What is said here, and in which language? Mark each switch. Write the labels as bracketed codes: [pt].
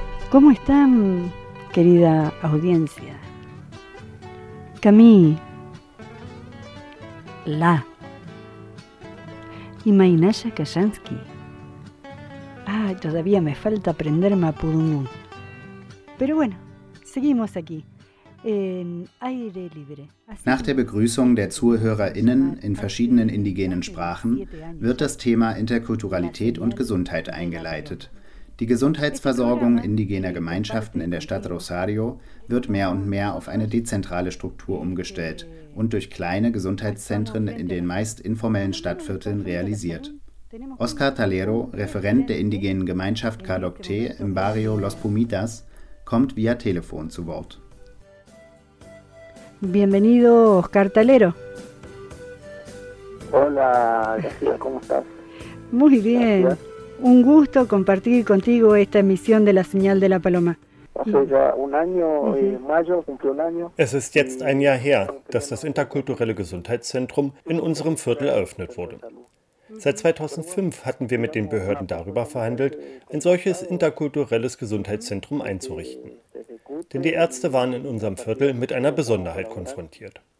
[es] ¿Cómo están, querida audiencia? Camille. La. Imainaya Kayansky. Ay, todavía me falta aprender Mapudungun. Pero bueno, seguimos aquí. En aire libre. [de] Nach der Begrüßung der ZuhörerInnen in verschiedenen indigenen Sprachen wird das Thema Interkulturalität und Gesundheit eingeleitet. Die Gesundheitsversorgung indigener Gemeinschaften in der Stadt Rosario wird mehr und mehr auf eine dezentrale Struktur umgestellt und durch kleine Gesundheitszentren in den meist informellen Stadtvierteln realisiert. Oscar Talero, Referent der indigenen Gemeinschaft Caloctay im Barrio Los Pumitas, kommt via Telefon zu Wort. [es] Bienvenido, Oscar Talero. Hola, gracias, ¿cómo estás? Muy bien. Un gusto compartir contigo esta emisión de La Señal de la Paloma. [de] Es ist jetzt ein Jahr her, dass das interkulturelle Gesundheitszentrum in unserem Viertel eröffnet wurde. Seit 2005 hatten wir mit den Behörden darüber verhandelt, ein solches interkulturelles Gesundheitszentrum einzurichten. Denn die Ärzte waren in unserem Viertel mit einer Besonderheit konfrontiert.